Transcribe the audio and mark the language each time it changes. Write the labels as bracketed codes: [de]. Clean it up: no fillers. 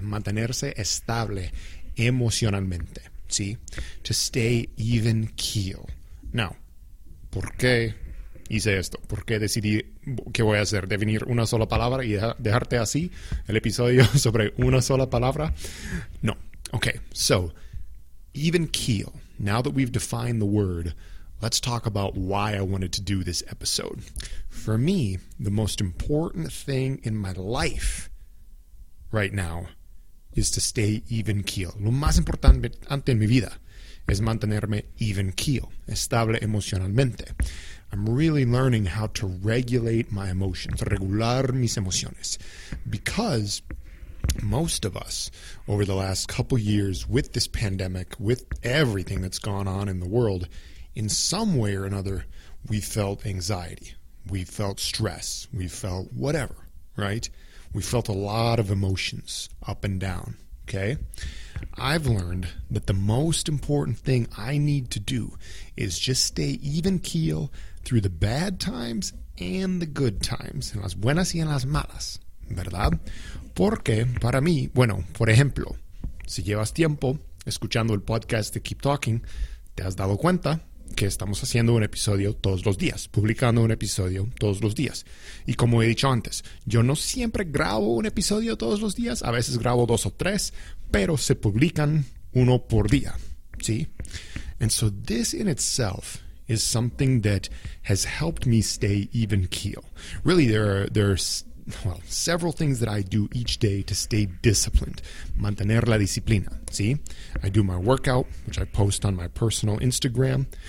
[es] Mantenerse estable emocionalmente, ¿sí? [en] To stay even keel. Now, [es] ¿por qué hice esto? ¿Por qué decidí qué voy a hacer? ¿Definir una sola palabra y dejarte así el episodio sobre una sola palabra? [en] No. Okay, so, even keel. Now that we've defined the word, let's talk about why I wanted to do this episode. For me, the most important thing in my life right now is to stay even keel. [es] Lo más importante ante mi vida es mantenerme even keel, estable emocionalmente. [en] I'm really learning how to regulate my emotions, [es] regular mis emociones, [en] because most of us, over the last couple years with this pandemic, with everything that's gone on in the world, in some way or another, we felt anxiety, we felt stress, we felt whatever, right? We felt a lot of emotions up and down, okay? I've learned that the most important thing I need to do is just stay even keel through the bad times and the good times, [es] en las buenas y en las malas, ¿verdad? Porque para mí, bueno, por ejemplo, si llevas tiempo escuchando el podcast de Keep Talking, te has dado cuenta que estamos haciendo un episodio todos los días, publicando un episodio todos los días. Y como he dicho antes, yo no siempre grabo un episodio todos los días, a veces grabo dos o tres, pero se publican uno por día, ¿sí? [en] And so this in itself is something that has helped me stay even keel. Really, there are several things that I do each day to stay disciplined. [es] Mantener la disciplina, ¿sí? [en] I do my workout, which I post on my personal Instagram.